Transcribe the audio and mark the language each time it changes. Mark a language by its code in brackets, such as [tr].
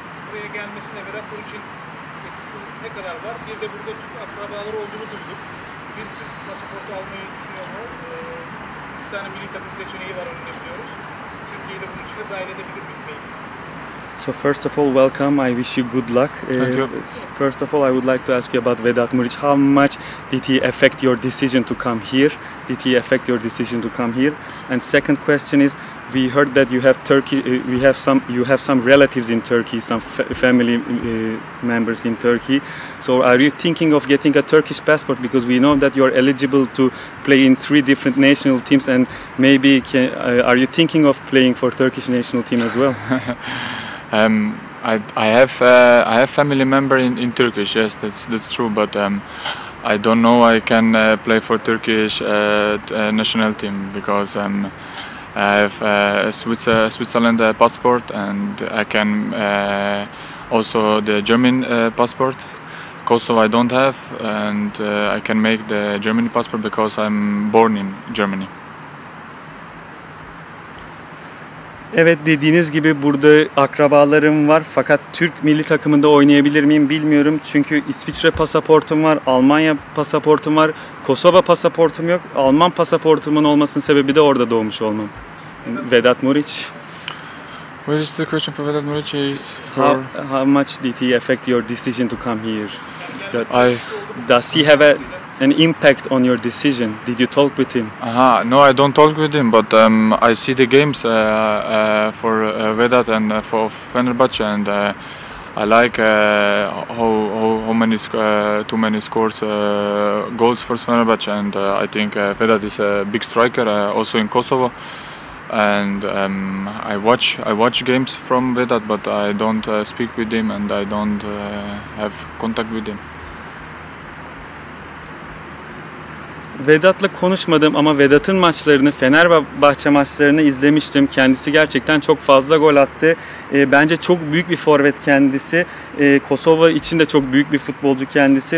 [tr] Buraya gelmesine ve rapor için etkisi ne kadar var? Bir de burada Türk akrabaları olduğunu duyduk. Bir Türk pasaportu almayı düşünüyor mu? 3 tane milli takım seçeneği var onu biliyoruz. Türkiye'yi de bunun içine dahil edebilir miyiz belki? [en] So first of all, welcome. I wish you good luck. Thank you. First of all, I would like to ask you about Vedat Muriç. How much did he affect your decision to come here? And second question is, we heard that you have Turkey. You have some relatives in Turkey, some family members in Turkey. So are you thinking of getting a Turkish passport? Because we know that you are eligible to play in 3 different national teams, and maybe are you thinking of playing for Turkish national team as well? I have family member in Turkish, yes, that's true, but I don't know I can play for Turkish national team because I have Switzerland passport, and I can also the German passport. Kosovo I don't have, and I can make the German passport because I'm born in Germany. [tr] Evet, dediğiniz gibi burada akrabalarım var, fakat Türk milli takımında oynayabilir miyim bilmiyorum. Çünkü İsviçre pasaportum var, Almanya pasaportum var, Kosova pasaportum yok. Alman pasaportumun olmasının sebebi de orada doğmuş olmam. Vedat Muriç. [en] What is the question for Vedat Muriç? How much did he affect your decision to come here? Does he have an impact on your decision? Did you talk with him? No, I don't talk with him, but I see the games for Vedat and for Fenerbahce, and I like how many scores goals for Fenerbahce, and I think Vedat is a big striker also in Kosovo, and I watch games from Vedat, but I don't speak with him and I don't have contact with him. [tr] Vedat'la konuşmadım ama Vedat'ın maçlarını, Fenerbahçe maçlarını izlemiştim. Kendisi gerçekten çok fazla gol attı. Bence çok büyük bir forvet kendisi. Kosova için de çok büyük bir futbolcu kendisi.